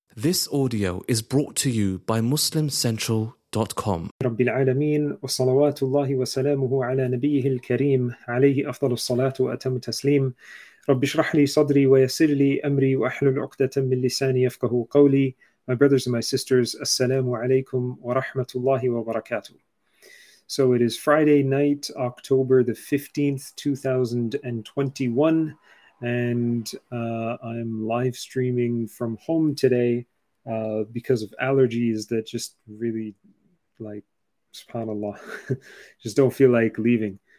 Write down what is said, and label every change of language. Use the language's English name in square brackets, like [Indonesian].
[English] This audio is brought to you by MuslimCentral.com. [Arabic] رب العالمين والصلوات الله وسلامه على نبيه الكريم عليه أفضل الصلاة وأتم التسليم. رب اشرح لي صدري ويسر لي أمري وأحلل عقدة من لساني يفقه قولي. [English] My brothers and my sisters, assalamu alaikum wa rahmatullahi wa barakatuh. So it is Friday night, October the 15th, 2021. And I'm live streaming from home today because of allergies that just really, like, subhanAllah, just don't feel like leaving.